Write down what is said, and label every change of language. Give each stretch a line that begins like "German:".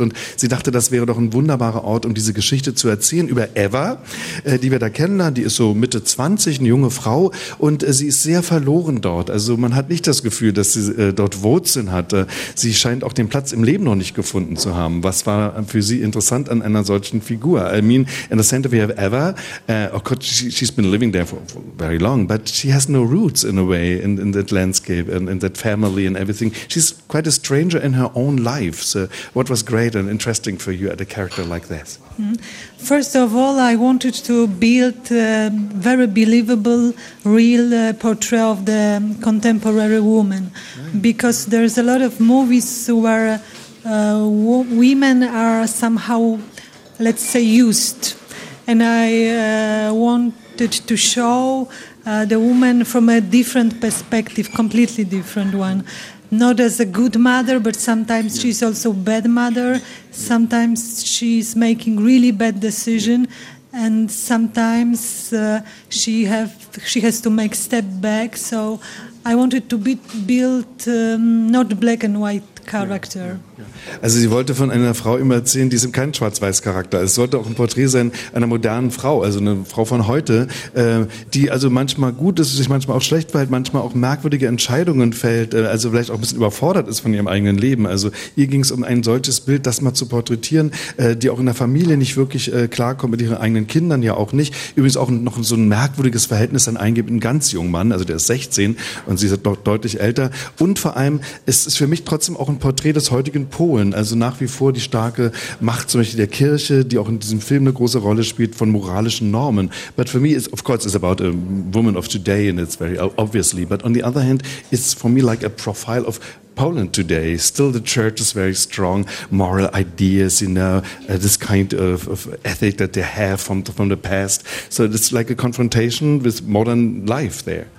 German: Und sie dachte, das wäre doch ein wunderbarer Ort, um diese Geschichte zu erzählen über Eva, die wir da kennenlernen. Die ist so Mitte 20, eine junge Frau. Und sie ist sehr verloren dort. Also man hat nicht das Gefühl, dass sie dort Wurzeln hat. Sie scheint auch den Platz im Leben noch nicht gefunden zu haben. Was war für Sie interessant an einer solchen Figur?
English: I mean, in the center we have Eva. Of course, she's been living there for very long, but she has no roots in a way in that landscape and in that family and everything. She's quite a stranger in her own life. So what was great and interesting for you at a character like this? First of all, I wanted to build a very believable, real portrayal of the contemporary woman. Nice. Because there's a lot of movies where women are somehow, let's say, used. And I wanted to show the woman from a different perspective, completely different one. Not as a good mother, but sometimes she's also a bad mother. Sometimes she's making really bad decision, and sometimes she has to make step back. So I wanted to build not black and white character.
German: Also sie wollte von einer Frau immer erzählen, die ist kein Schwarz-Weiß-Charakter. Es sollte auch ein Porträt sein einer modernen Frau, also eine Frau von heute, die also manchmal gut ist, sich manchmal auch schlecht verhält, manchmal auch merkwürdige Entscheidungen fällt, also vielleicht auch ein bisschen überfordert ist von ihrem eigenen Leben. Also ihr ging es um ein solches Bild, das mal zu porträtieren, die auch in der Familie nicht wirklich klarkommt, mit ihren eigenen Kindern ja auch nicht. Übrigens auch noch so ein merkwürdiges Verhältnis dann eingeht mit einem ganz jungen Mann, also der ist 16 und sie ist doch deutlich älter. Und vor allem ist es für mich trotzdem auch ein Porträt des heutigen in Polen, also nach wie vor die starke Macht zum Beispiel der Kirche, die auch in diesem Film eine große Rolle spielt, von moralischen Normen.
English: But for me, it's, of course, it's about a woman of today and it's very obviously, but on the other hand, it's for me like a profile of Poland today. Still the church is very strong, moral ideas, you know, this kind of ethic that they have from the past. So it's like a confrontation with modern life there.